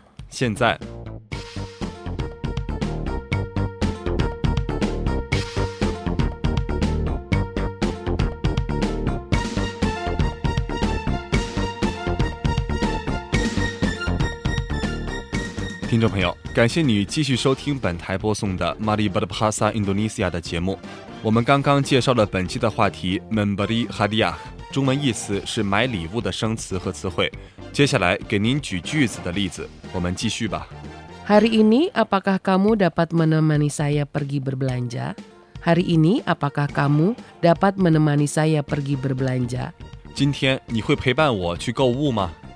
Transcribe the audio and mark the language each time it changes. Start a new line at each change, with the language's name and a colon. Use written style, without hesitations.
Chinese: 现在听众朋友，感谢你继续收听本台播送的 Mari Berbahasa Indonesia 的节目。我们刚刚介绍了本期的话题 Memberi Hadiah， 中文意思是买礼物的生词和词汇。接下来给您举句子的例子，我们继续吧。
Indonesian: Hari ini apakah kamu dapat menemani saya pergi berbelanja? Hari ini apakah kamu dapat menemani saya pergi berbelanja?
Chinese: 今天你会陪伴我去购物吗？